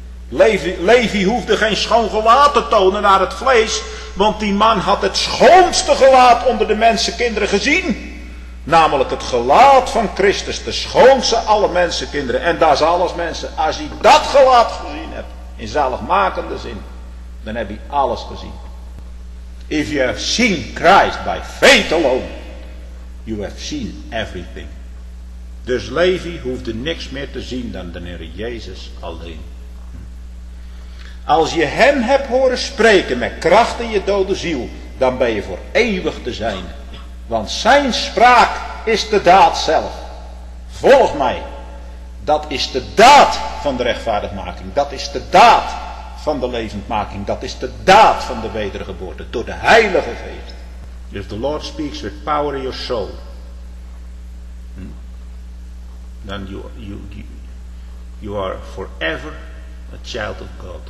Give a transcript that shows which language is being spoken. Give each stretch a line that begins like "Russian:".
Dutch: Levi hoefde geen schoon gelaat te tonen naar het vlees, want die man had het schoonste gelaat onder de mensenkinderen gezien. Namelijk het gelaat van Christus, de schoonste alle mensenkinderen. En dat is alles, mensen. Als je dat gelaat gezien hebt, in zaligmakende zin, dan heb je alles gezien.
English: If you have seen Christ by faith alone, you have seen everything.
Dutch: Dus Levi hoefde niks meer te zien dan de Heer Jezus alleen. Als je hem hebt horen spreken met kracht in je dode ziel, dan ben je voor eeuwig te zijn. Want zijn spraak is de daad zelf. Volg mij. Dat is de daad van de rechtvaardigmaking. Dat is de daad van de levendmaking. Dat is de daad van de wedergeboorte. Door de Heilige Geest.
English: If the Lord speaks with power in your soul, then you are forever a child of God.